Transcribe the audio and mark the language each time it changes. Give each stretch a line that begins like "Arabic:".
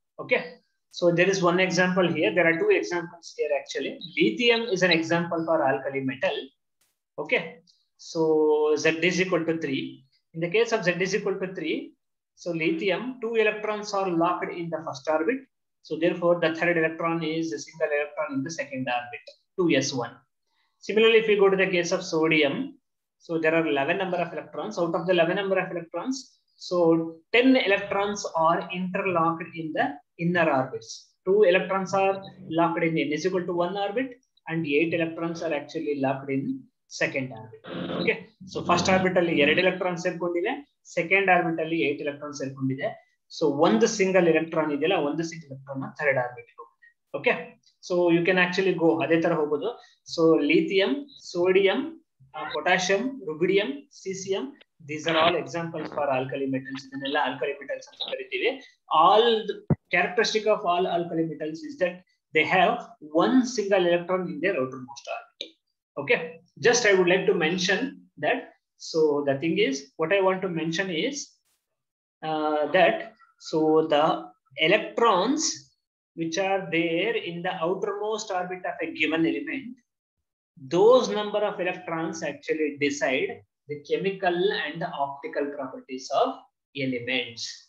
English: Okay, so there is one example here, there are two examples here. Actually lithium is an example for alkali metal. Okay, so Z is equal to 3. In the case of Z is equal to 3, so lithium 2 electrons are locked in the first orbit. So therefore, the third electron is a single electron in the second orbit, 2s1. Similarly, if we go to the case of sodium, so there are 11 number of electrons. Out of the 11 number of electrons, so 10 electrons are interlocked in the inner orbits. 2 electrons are locked in n is equal to 1 orbit, and 8 electrons are actually locked in second orbit.
Kannada: Okay, so first orbit alli 2 electrons serkondide, second orbit alli 8 electrons serkondide. So ಒಂದು single electron ಇದೆಯಲ್ಲ, ಒಂದು single electron third orbit.
English: okay, so you can actually go
Kannada: ಅದೇ ತರ ಹೋಗೋದು.
English: So lithium, sodium, potassium, rubidium, caesium, these are all examples for alkali metals.
Kannada: ಇದನ್ನೆಲ್ಲ alkali metals ಅಂತ ಕರಿತೀವಿ.
English: All characteristic of all alkali metals is that they have one single electron in their outermost orbit. Okay, just I would like to mention that. So the thing is, what I want to mention is that so the electrons which are there in the outermost orbit of a given element, those number of electrons actually decide the chemical and the optical properties of elements.